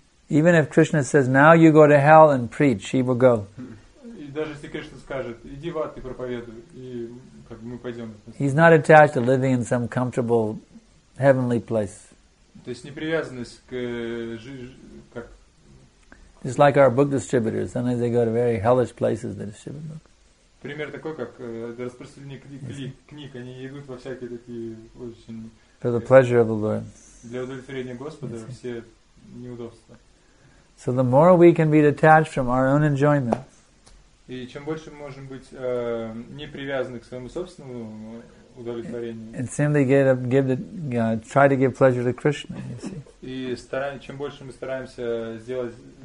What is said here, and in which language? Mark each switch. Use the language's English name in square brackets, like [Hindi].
[English] Even if Krishna says, "Now you go to hell and preach," he will go. [Russian] И даже если Кришна скажет, "Иди в ад и проповедуй," и как мы пойдем. [English] He's not attached to living in some comfortable heavenly place. [Russian] То есть непривязанность к как. [English] Just like our book distributors, sometimes they go to very hellish places to distribute books. [Russian] Пример такой, как распространение книг, они идут во всякие такие очень. [English] For the pleasure of the Lord. [Russian] Для удовлетворения Господа все неудобства. [English] So the more we can be detached from our own enjoyment. [Russian] И чем больше мы можем быть не привязаны к своему собственному удовлетворению. [English] And simply try to give pleasure to Krishna. You see. [Russian] И чем больше мы стараемся сделать.